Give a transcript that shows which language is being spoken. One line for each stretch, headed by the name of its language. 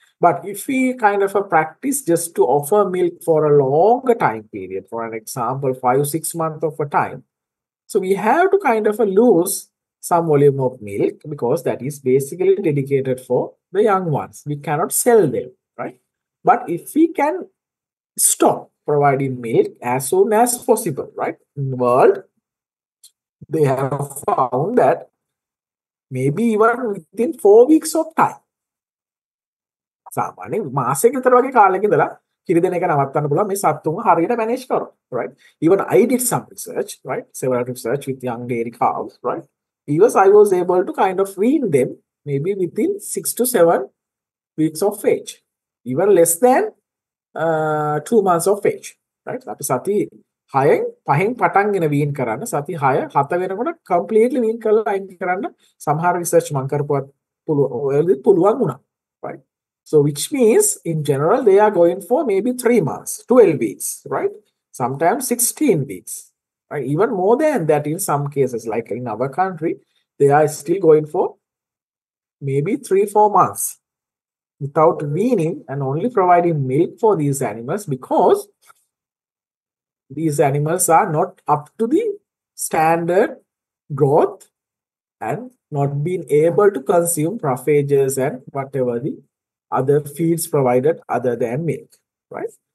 English: But if we kind of a practice just to offer milk for a longer time period, for an example, 5-6 months of a time, so we have to kind of a lose some volume of milk because that is basically dedicated for the young ones. We cannot sell them, right? But if we can stop providing milk as soon as possible, right? In the world, they have found that maybe even within 4 weeks of time.
Sinhala: සාමාන්‍යයෙන් මාසයක විතර වගේ කාලයක ඉඳලා කිරි දෙන එක නවත්වන්න පුළුවන් මේ සත්තුන් හරියට මැනේජ් කරොත්, right?
English: Even I did some research, right? Several research with young dairy cows, right? Even I was able to kind of wean them maybe within 6 to 7 weeks of age. Even less than 2 months of age, right?
Sinhala: අපි සති 6න් 5න් පටන්ගෙන වීන් කරන්න සති 6 7 වෙනකොට completely වීන් කරලා අයින් කරන්න සමහර research මම කරපුවත් පුළුවන් වුණා. Right?
English: So which means in general they are going for maybe 3 months, 12 weeks, right? Sometimes 16 weeks, right? Even more than that in some cases, like in our country, they are still going for maybe 3-4 months without weaning and only providing milk for these animals because these animals are not up to the standard growth and not being able to consume roughages and whatever the other feeds provided other than milk, right?